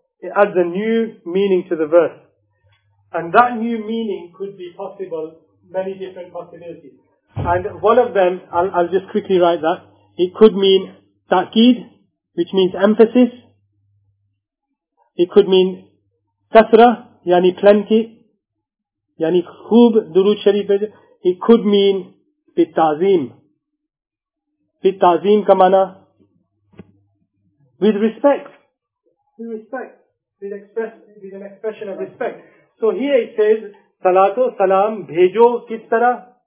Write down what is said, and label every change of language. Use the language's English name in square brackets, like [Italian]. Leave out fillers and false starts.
[English] It adds a new meaning to the verse. And that new meaning could be possible, many different possibilities. And one of them, I'll just quickly write that, it could mean taqid, which means emphasis. It could mean kathra, yani plenty. [Urdu] یعنی خوب درود شریف, [English] it could mean [Urdu] بالتعظیم. [Arabic] بالتعظيم كما معنى [English] with respect. With respect. With express, with an expression of respect. So here it says [Urdu] صلاۃ سلام بھیجو کس طرح?